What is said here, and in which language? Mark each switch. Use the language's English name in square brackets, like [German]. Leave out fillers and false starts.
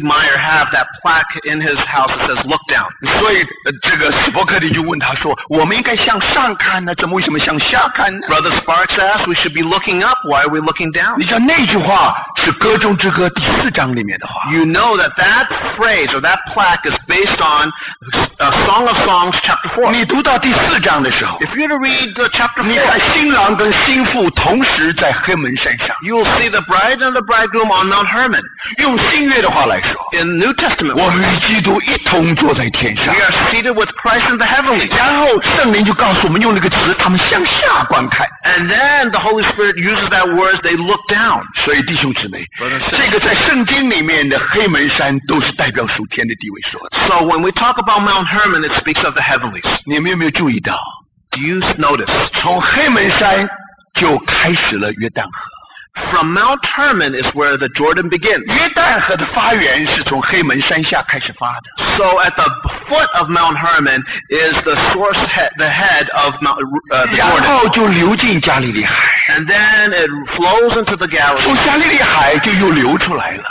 [English] Meyer have that plaque in his house that says, look down? [Chinese] 所以这个斯伯克利就问他说，我们应该向上看呢，怎么为什么向下看呢？ [English] Brother Sparks asked, we should be looking up, why are we looking down? [Chinese] 你知道那句话是歌中之歌第四章里面的话。 [English] You know that phrase or that plaque is based on Song of Songs chapter 4. [Chinese] 你读到第四章的时候， [English] if you were to read the chapter [Chinese] 4, 你看新郎跟新妇同时在黑门山上， [English] you will see the bride and the bridegroom on Mount Hermon. [Chinese] 用新约的话来说， [English] in New Testament, [Chinese] 我们与基督一同坐在天上， [English] we are seated with Christ in the heavenly. [Chinese] 然后圣灵就告诉我们用那个词，他们向下观看。 [English] And then the Holy Spirit uses that word, they look down. [Chinese] 所以弟兄姊妹， [English] brothers, [Chinese] 这个在圣经里面的黑门山都是代表属天的地位说的。 [English] So when we talk about Mount Hermon, it speaks of the heavenlies. [Chinese] 你们有没有注意到？ [English] Do you notice? [Chinese] 从黑门山就开始了约旦河。 [English] From Mount Hermon is where the Jordan begins. [Chinese] 约旦河的发源是从黑门山下开始发的。 [English] So at the foot of Mount Hermon is the source head, the head of the Jordan. [Chinese] 然后就流进加利利海。 [English] And then it flows into the Galilee. [Chinese] 从加利利海就又流出来了。